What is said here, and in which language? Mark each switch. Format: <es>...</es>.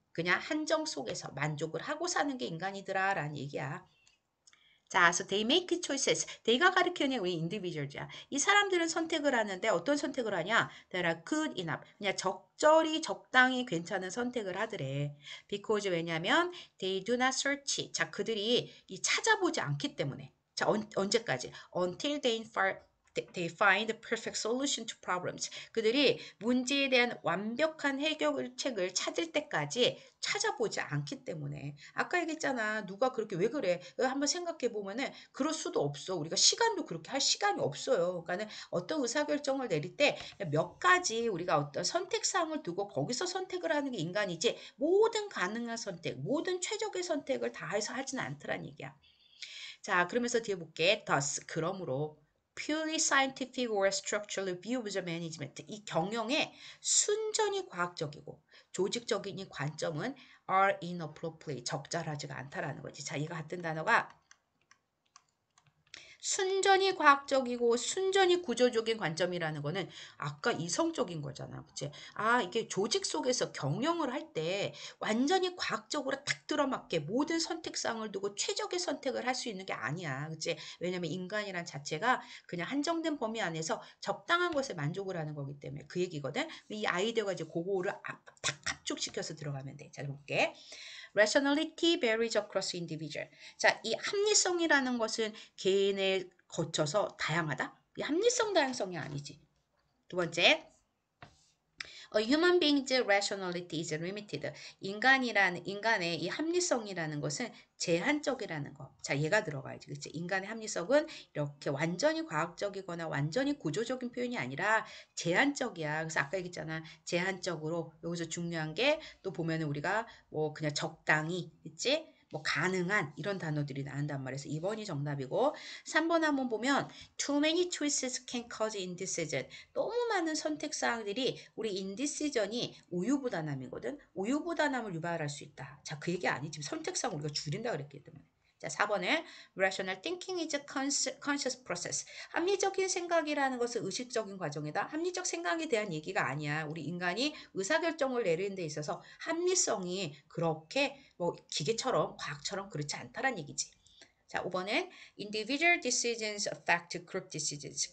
<ko>그냥 한정 속에서 만족을 하고 사는 게 인간이더라라는 얘기야.</ko> <en>자, so they make choices. They가</en> <ko>가리키는 우리</ko> <en>individuals야.</en> <ko>이 사람들은 선택을 하는데 어떤 선택을 하냐?</ko> <en>They are good enough.</en> <ko>그냥 적절히, 적당히 괜찮은 선택을 하더래.</ko> <en>Because</en> <ko>왜냐면</ko> <en>they do not search.</en> <ko>자, 그들이 찾아보지 않기 때문에. 자, 언제까지?</ko> <en>Until they find the perfect solution to problems.</en> <ko>그들이 문제에 대한 완벽한 해결책을 찾을 때까지 찾아보지 않기 때문에. 아까 얘기했잖아. 누가 그렇게 왜 그래? 한번 생각해 보면은 그럴 수도 없어. 우리가 시간도 그렇게 할 시간이 없어요. 그러니까는 어떤 의사결정을 내릴 때몇 가지 우리가 어떤 선택사항을 두고 거기서 선택을 하는 게 인간이지. 모든 가능한 선택, 모든 최적의 선택을 다 해서 하진 않더란 얘기야. 자, 그러면서 뒤에 볼게.</ko> <en>Thus,</en> <ko>그러므로.</ko> <en>Purely scientific or structural view of management.</en> <ko>이 경영에 순전히 과학적이고 조직적인 이 관점은</ko> <en>are inappropriate,</en> <ko>적절하지가 않다라는 거지. 자, 이거 같은 단어가 순전히 과학적이고 순전히 구조적인 관점이라는 거는 아까 이성적인 거잖아. 그치? 이게 조직 속에서 경영을 할때 완전히 과학적으로 딱 들어맞게 모든 선택사항을 두고 최적의 선택을 할수 있는 게 아니야. 그치? 왜냐면 인간이란 자체가 그냥 한정된 범위 안에서 적당한 것에 만족을 하는 거기 때문에 그 얘기거든. 이 아이디어가 이제 그거를 탁 압축시켜서 들어가면 돼. 잘 볼게.</ko> <en>Rationality varies across individual.</en> <ko>자, 이 합리성이라는 것은 개인에 거쳐서 다양하다? 이 합리성 다양성이 아니지. 두 번째.</ko> <en>A human being's rationality is limited.</en> <ko>인간의 이 합리성이라는 것은 제한적이라는 거. 자, 얘가 들어가야지. 그치? 인간의 합리성은 이렇게 완전히 과학적이거나 완전히 구조적인 표현이 아니라 제한적이야. 그래서 아까 얘기했잖아. 제한적으로. 여기서 중요한 게또 보면은 우리가 뭐 그냥 적당히, 그치? 뭐 가능한 이런 단어들이 나온단 말이야. 2번이 정답이고 3번 한번 보면</ko> <en>too many choices can cause indecision.</en> <ko>너무 많은 선택 사항들이 우리 indecision이 우유부단함이거든. 우유부단함을 유발할 수 있다. 자, 그 얘기 아니지. 선택사항 우리가 줄인다 그랬기 때문에. 자, 4번에</ko> <en>rational thinking is a conscious process.</en> <ko>합리적인 생각이라는 것은 의식적인 과정이다. 합리적 생각에 대한 얘기가 아니야. 우리 인간이 의사결정을 내리는 데 있어서 합리성이 그렇게 뭐 기계처럼, 과학처럼 그렇지 않다란 얘기지. 자, 5번에</ko> <en>individual decisions affect group decisions.</en>